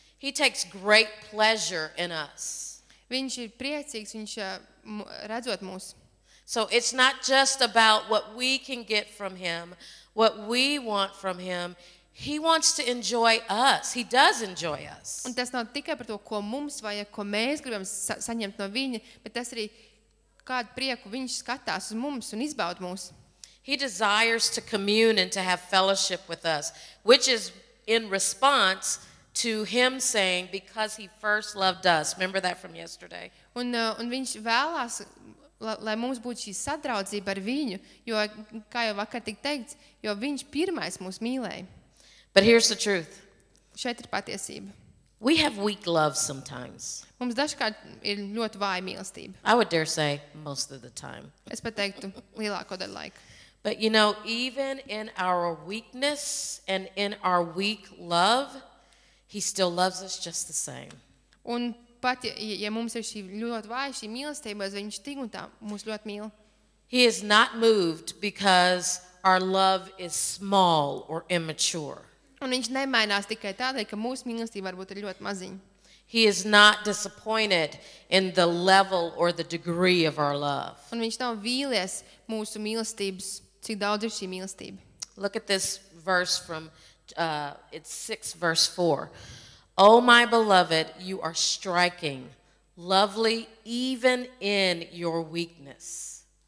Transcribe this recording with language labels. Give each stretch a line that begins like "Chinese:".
English: He takes great pleasure in us.
Latvian: Viņš ir priecīgs, viņš redzot mūs.
English: So it's not just about what we can get from him, what we want from him. He wants to enjoy us. He does enjoy us.
Latvian: Un tas nav tikai par to, ko mums vajag, ko mēs gribam saņemt no viņa, bet tas arī kādu prieku viņš skatās uz mums un izbaud mūs.
English: He desires to commune and to have fellowship with us, which is in response to him saying, because he first loved us. Remember that from yesterday?
Latvian: Un viņš vēlās, lai mums būtu šī sadraudzība ar viņu, jo, kā jau vakar tik teikts, jo viņš pirmais mūs mīlēja.
English: But here's the truth.
Latvian: Šeit ir patiesība.
English: We have weak love sometimes.
Latvian: Mums dažkārt ir ļoti vāja mīlestība.
English: I would dare say most of the time.
Latvian: Es pat teiktu lielāko daļu laika.
English: But you know, even in our weakness and in our weak love, he still loves us just the same.
Latvian: Un pat ja mums ir šī ļoti vāja šī mīlestība, viņš tik un tā mūs ļoti mīl.
English: He is not moved because our love is small or immature.
Latvian: Un viņš nemainās tikai tādēļ, ka mūsu mīlestība varbūt ir ļoti maziņa.
English: He is not disappointed in the level or the degree of our love.
Latvian: Un viņš nav vīlies mūsu mīlestības, cik daudz ir šī mīlestība.
English: Look at this verse from, it's 6:4. O my beloved, you are striking, lovely even in your weakness.